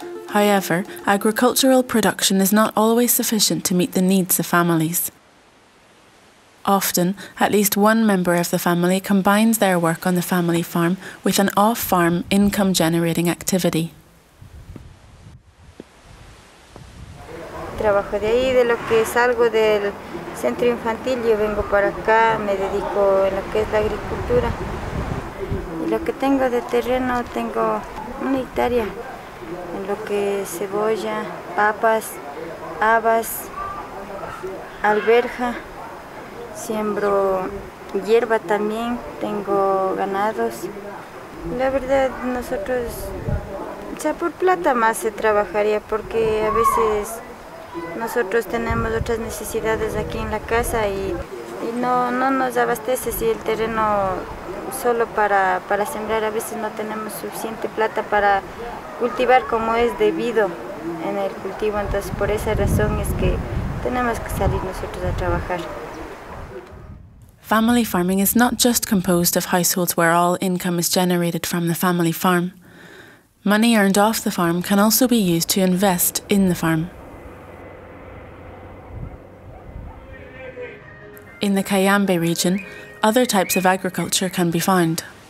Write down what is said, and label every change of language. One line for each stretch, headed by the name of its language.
English: However, agricultural production is not always sufficient to meet the needs of families. Often, at least one member of the family combines their work on the family farm with an off-farm income-generating activity.
Spanish: Trabajo de ahí, de lo que salgo del centro infantil, yo vengo para acá, me dedico en lo que es la agricultura. Y lo que tengo de terreno, tengo una hectárea, en lo que es cebolla, papas, habas, alberja, siembro hierba también, tengo ganados. La verdad, nosotros, o sea, por plata más se trabajaría, porque a veces nosotros tenemos otras necesidades aquí en la casa y no nos abastece si el terreno solo para sembrar, a veces no tenemos suficiente plata para cultivar como es debido en el cultivo, entonces por esa razón es que tenemos que salir nosotros a trabajar.
English: Family farming is not just composed of households where all income is generated from the family farm. Money earned off the farm can also be used to invest in the farm. In the Cayambe region, other types of agriculture can be found.